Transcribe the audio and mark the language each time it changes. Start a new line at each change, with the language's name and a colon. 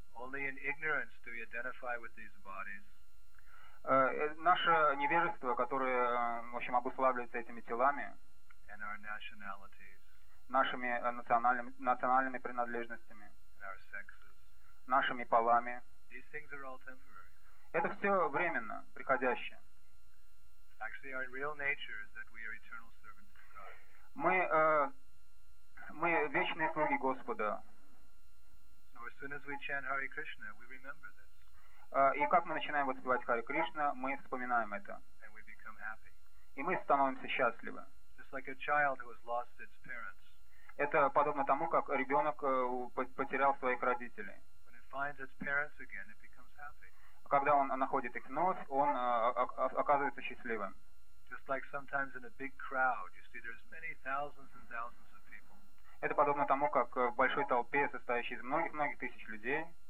English: Only in ignorance do we identify with these bodies.
Russian: Наше невежество, которое, в общем, обуславливается этими телами,
English: and our nationalities,
Russian: нашими национальными принадлежностями,
English: and our sexes,
Russian: нашими полами,
English: these things are all temporary.
Russian: Это все временно, приходящее.
English: Actually, our real nature is that we are eternal servants of God.
Russian: Мы вечные слуги Господа.
English: As soon as we chant Hare Krishna, we remember this.
Russian: И как мы начинаем воспевать Харе Кришна, мы вспоминаем это.
English: And we become happy.
Russian: И мы становимся счастливы.
English: Just like a child who has lost its parents.
Russian: Это подобно тому, как ребенок потерял своих родителей.
English: When it finds its parents again, it becomes happy.
Russian: Когда он находит их вновь, он оказывается счастливым.
English: Just like sometimes in a big crowd, you see there's many thousands and thousands.
Russian: Это подобно тому, как в большой толпе, состоящей из многих-многих тысяч людей.